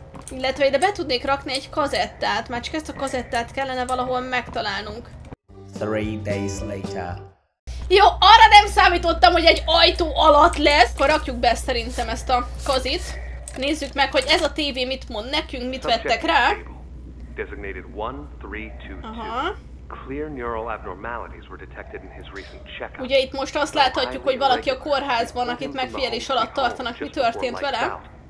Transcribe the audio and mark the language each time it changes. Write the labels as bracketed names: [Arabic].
[Hungarian] Illetve ide be tudnék rakni egy kazettát. Már csak ezt a kazettát kellene valahol megtalálnunk. [English] 3 days later. [Hungarian] Jó, arra nem számítottam, hogy egy ajtó alatt lesz. Akkor rakjuk be szerintem ezt a kazit. Nézzük meg, hogy ez a tévé mit mond nekünk, mit vettek rá. [English] Designated 1322. Clear neural abnormalities were detected in his recent checkup. [Hungarian] Ugye itt most azt láthatjuk, hogy valaki a kórházban, akit megfigyelés alatt tartanak, mi történt vele?